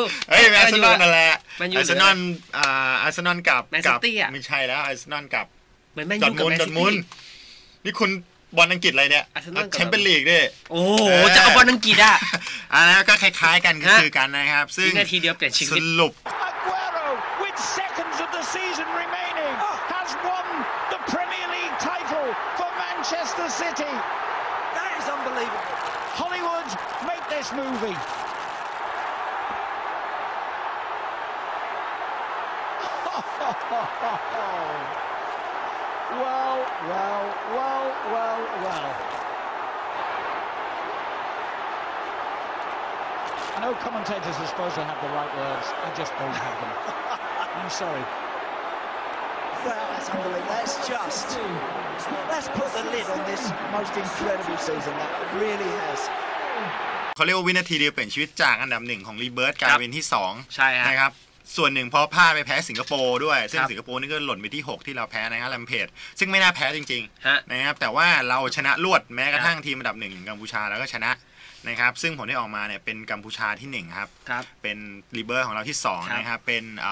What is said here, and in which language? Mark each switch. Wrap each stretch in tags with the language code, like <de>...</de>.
<th>เฮ้ยแมนยูนั่นแหละแมนยูอาร์เซนอล อ าร์เซนอลกับ แมนซิตี้อ่ะ ไม่ใช่แล้วอาร์เซนอลกับ เหมือนแมนยูกับดอร์ทมุนด์นี่คุณบอลอังกฤษอะไรเนี่ยแชมเปี้ยนลีกดิ โอ้จะเอาบอลอังกฤษอ่ะ อะไรก็คล้ายๆกันก็คือกันนะครับซึ่ง นาทีเดียวเปลี่ยนชีวิต สรุปอากัวโร่</th> <en>which seconds of the season remaining has won the Premier League title for Manchester City that is unbelievableHollywood, make this movie. Well, well, well, well, well. No commentators are supposed to have the right words. I just don't have them. I'm sorry. Well, that's unbelievable. That's just... Let's put the lid on this most incredible season that really has.</en> <th>เขาเรียกว่าวินาทีเดียวเปลี่ยนชีวิตจากอันดับ1ของ Rebirth กลายเป็นที่2 ใช่ฮะ นะครับส่วนหนึ่งเพราะพลาดไปแพ้สิงคโปร์ด้วยซึ่งสิงคโปร์นี่ก็หล่นไปที่6ที่เราแพ้นะครับ Rampage ซึ่งไม่น่าแพ้จริง ๆ นะครับแต่ว่าเราชนะลวดแม้กระทั่งทีมอันดับ1อย่างกัมพูชาแล้วก็ชนะนะครับซึ่งผลที่ออกมาเนี่ยเป็นกัมพูชาที่1ครับเป็น Rebirth ของเราที่2นะครับเป็น</th>